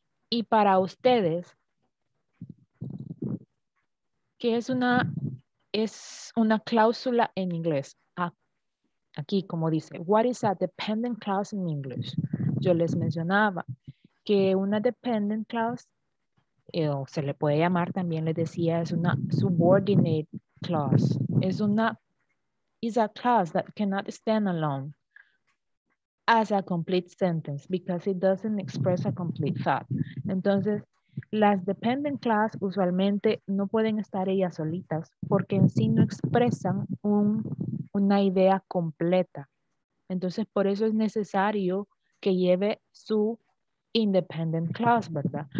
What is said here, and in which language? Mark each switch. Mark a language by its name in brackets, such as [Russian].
[Spanish] Y para ustedes, ¿qué es una cláusula en inglés? Aquí, como dice, [English] what is a dependent clause in English? [Spanish] Yo les mencionaba que una dependent clause, o se le puede llamar también, les decía, es una subordinate clause. Es una, [English] is a clause that cannot stand alone as a complete sentence because it doesn't express a complete thought. [Spanish] Entonces, las dependent clause usualmente no pueden estar ellas solitas porque en sí no expresan una idea completa. Entonces, por eso es necesario que lleve su independent clause, ¿verdad?